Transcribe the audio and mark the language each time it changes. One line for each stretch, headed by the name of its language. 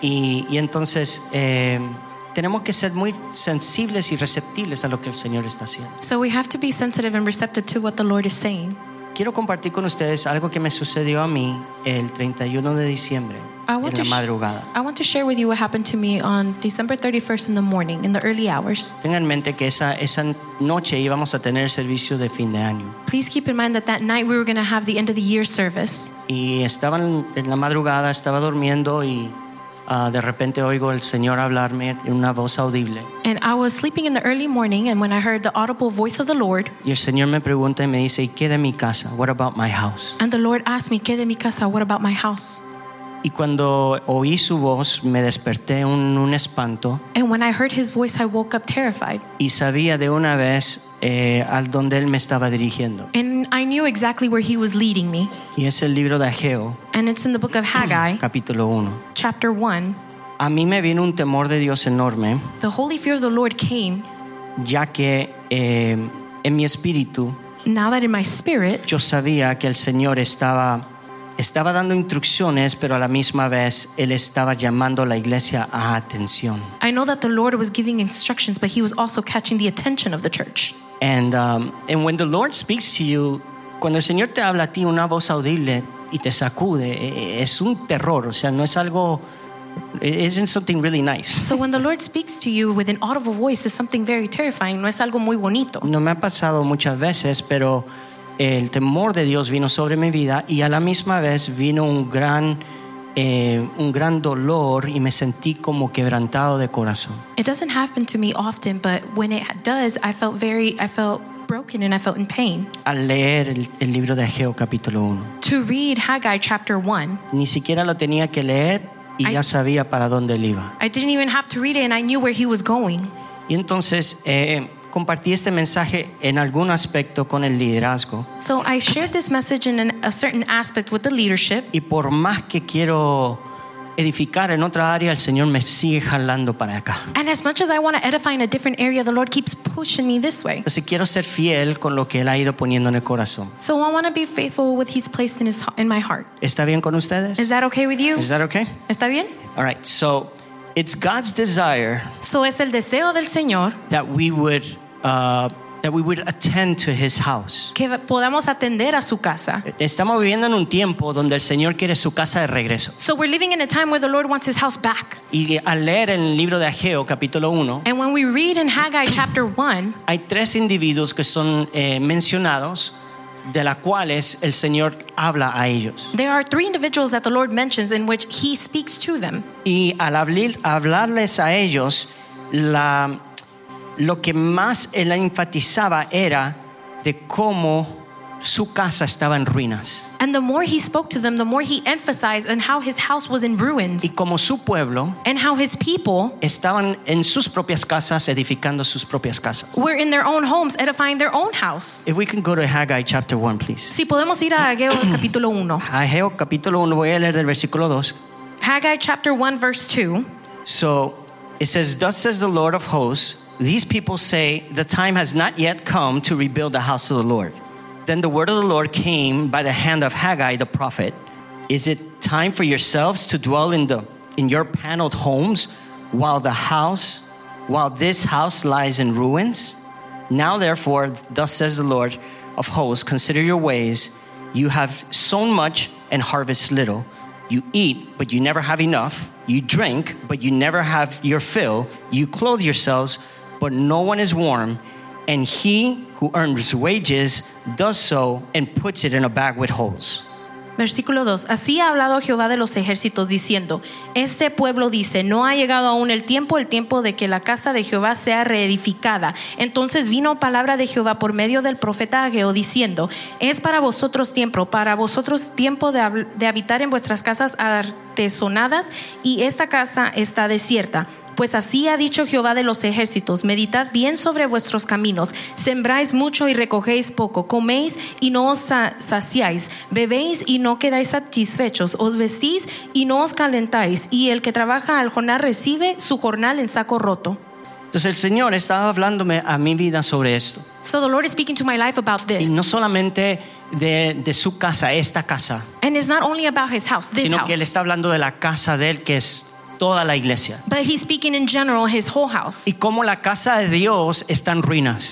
Spanish: Y entonces tenemos que ser muy sensibles y receptibles a lo que el Señor está haciendo.
English: So we have to be sensitive and receptive to what the Lord is saying.
Spanish: Quiero compartir con ustedes algo que me sucedió a mí el 31 de diciembre en la madrugada.
English: I want to share with you what happened to me on December 31st in the morning, in the early hours.
Spanish: Tengan en mente que esa noche íbamos a tener servicio de fin de año.
English: Please keep in mind that night we were going to have the end of the year service.
Spanish: Y estaba en la madrugada, estaba durmiendo y de repente oigo el Señor hablarme en una voz audible.
English: And I was sleeping in the early morning, and when I heard the audible voice of the Lord.
Spanish: Y el Señor me pregunta y me dice, ¿qué de mi casa?
English: What about my house? And the Lord asked me,
Spanish: ¿qué de mi casa?
English: What about my house?
Spanish: Y cuando oí su voz, me desperté un espanto.
English: And when I heard his voice, I woke up terrified.
Spanish: Y sabía de una vez al donde él me estaba dirigiendo.
English: And I knew exactly where he was leading me.
Spanish: Y es el libro de Hageo.
English: And it's in the book of Haggai.
Spanish: Capítulo 1.
English: Chapter 1.
Spanish: A mí me vino un temor de Dios enorme.
English: The holy fear of the Lord came.
Spanish: Ya que en mi espíritu.
English: Now that in my spirit.
Spanish: Yo sabía que el Señor estaba dando instrucciones, pero a la misma vez él estaba llamando a la iglesia a atención.
English: I know that the Lord was giving instructions, but he was also catching the attention of the church. And when the Lord speaks to you,
Spanish: cuando el Señor te habla a ti una voz audible y te sacude, es un terror, o sea, no es algo,
English: it isn't something really nice. So when the Lord speaks to you with an audible voice, it's something very terrifying,
Spanish: no es algo muy bonito. No me ha pasado muchas veces, pero el temor de Dios vino sobre mi vida y a la misma vez vino un gran dolor y me sentí como quebrantado de corazón.
English: It doesn't happen to me often, but when it does, I felt broken and I felt in pain.
Spanish: Al leer el libro de Hageo capítulo 1.
English: To read Haggai chapter 1.
Spanish: Ni siquiera lo tenía que leer y ya sabía para dónde él iba.
English: I didn't even have to read it and I knew where he was going.
Spanish: Y entonces compartí este mensaje en algún aspecto con el liderazgo.
English: So I shared this message in a certain aspect with the leadership.
Spanish: Y por más que quiero edificar en otra área, el Señor me sigue jalando para acá.
English: And as much as I want to edify in a different area, the Lord keeps pushing me this way.
Spanish: Entonces quiero ser fiel con lo que él ha ido poniendo en el corazón.
English: So I want to be faithful with what he's placed in my heart.
Spanish: ¿Está bien con ustedes?
English: Is that okay with you? Is that okay?
Spanish: ¿Está bien?
English: All right. So it's God's desire.
Spanish: So es el deseo del Señor
English: that we would attend to his house.
Spanish: Que podamos atender a su casa. Estamos viviendo en un tiempo donde el Señor quiere su casa de regreso.
English: So we're living in a time where the Lord wants his house back.
Spanish: Y al leer en el libro de Hageo, capítulo 1,
English: and when we read in Haggai chapter 1,
Spanish: hay tres individuos que son mencionados de las cuales el Señor habla a ellos.
English: There are three individuals that the Lord mentions in which he speaks to them.
Spanish: Y al hablarles a ellos, lo que más él enfatizaba era de cómo su casa estaba en ruinas.
English: And the more he spoke to them, the more he emphasized on how his house was in ruins.
Spanish: Y cómo su pueblo,
English: and how his people,
Spanish: estaban en sus propias casas edificando sus propias casas.
English: Were in their own homes edifying their own house. If we can go to Haggai chapter 1, please.
Spanish: Si podemos ir a Hageo capítulo 1. Hageo capítulo 1, voy a leer del versículo 2.
English: Haggai chapter 1 verse 2. So it says, thus says the Lord of hosts, these people say, the time has not yet come to rebuild the house of the Lord. Then the word of the Lord came by the hand of Haggai the prophet. Is it time for yourselves to dwell in your paneled homes while this house lies in ruins? Now therefore, thus says the Lord of hosts, consider your ways. You have sown much and harvest little. You eat, but you never have enough. You drink, but you never have your fill. You clothe yourselves, but no one is warm, and he who earns wages does so and puts it in a bag with holes.
Spanish: Versículo 2. Así ha hablado Jehová de los ejércitos, diciendo, este pueblo dice, no ha llegado aún el tiempo de que la casa de Jehová sea reedificada. Entonces vino palabra de Jehová por medio del profeta Hageo, diciendo, es para vosotros tiempo de habitar en vuestras casas artesonadas, y esta casa está desierta. Pues así ha dicho Jehová de los ejércitos, meditad bien sobre vuestros caminos, sembráis mucho y recogéis poco, coméis y no os saciáis, bebéis y no quedáis satisfechos, os vestís y no os calentáis, y el que trabaja al jornal recibe su jornal en saco roto. Entonces el Señor estaba hablándome a mi vida sobre esto.
English: So the Lord is speaking to my life about this.
Spanish: Y no solamente de su casa, esta casa.
English: And it's not only about his house, this
Spanish: sino
English: house.
Spanish: Sino que él está hablando de la casa de él, que es toda la iglesia.
English: But he's speaking in general, his whole house.
Spanish: Y cómo la casa de Dios está en ruinas.